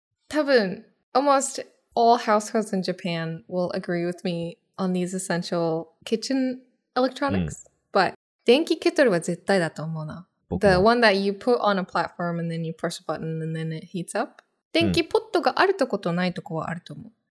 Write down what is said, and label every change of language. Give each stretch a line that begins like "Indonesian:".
English: 多分 almost all households in Japan will agree with me on these essential kitchen electronics.、Mm.
Japanese: But 電気ケトルは絶対だと思うな。
English: The one that you put on a platform and then you push a button and then it heats up.
Japanese: 電気ポットがあるとことないとこはあると思う。